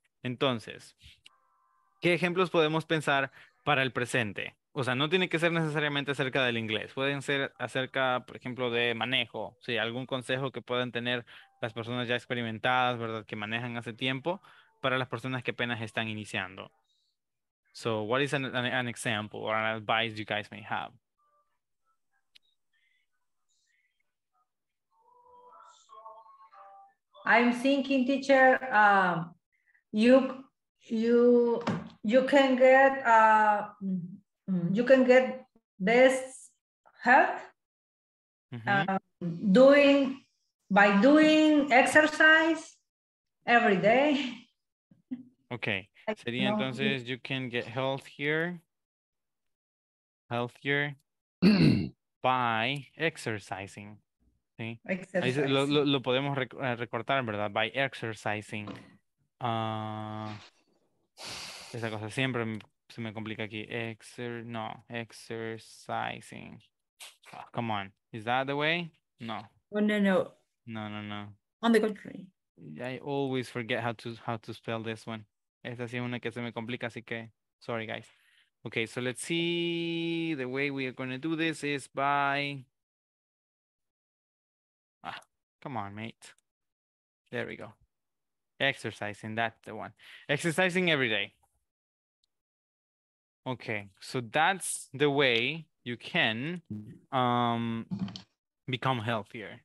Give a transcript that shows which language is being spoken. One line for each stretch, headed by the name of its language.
Spanish: Entonces, ¿qué ejemplos podemos pensar para el presente? O sea, no tiene que ser necesariamente acerca del inglés. Pueden ser acerca, por ejemplo, de manejo. Sí, algún consejo que puedan tener las personas ya experimentadas, ¿verdad? Que manejan hace tiempo para las personas que apenas están iniciando.
English: So, what is an example or an advice you guys may have? I'm thinking, teacher, you can get best health by doing exercise every day. Okay.
Spanish: Sería entonces,
English: you can get healthier by exercising Sí. Exercise.
Spanish: Lo podemos recortar, ¿verdad?
English: By exercising.
Spanish: Esa cosa siempre se me complica aquí.
English: Exercising. Oh, come on. Is that the way? No. No. On the contrary. I always forget how to spell this one.
Spanish: Esta sí es una que se me complica, así que
English: sorry, guys. Okay, so let's see. The way we are going to do this is by... come on, mate. There we go. Exercising, that's the one. Exercising every day. Okay, so that's the way you can become healthier.